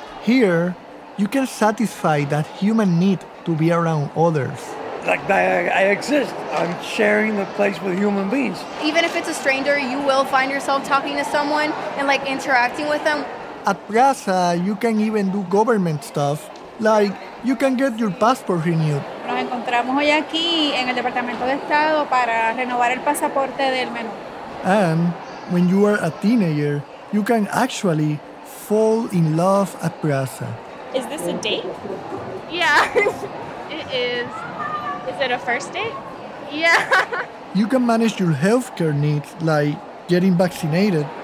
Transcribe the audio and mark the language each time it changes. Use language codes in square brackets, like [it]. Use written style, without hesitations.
[en] Here, you can satisfy that human need to be around others. Like, I exist. I'm sharing the place with human beings. Even if it's a stranger, you will find yourself talking to someone and, like, interacting with them. At Plaza, you can even do government stuff. Like, you can get your passport renewed. [es] Nos encontramos hoy aquí en el Departamento de Estado para renovar el pasaporte del menor. [en] And when you are a teenager, you can actually fall in love at Plaza. Is this a date? Yeah, it is. Is it a first date? Yeah. You can manage your healthcare needs, like getting vaccinated.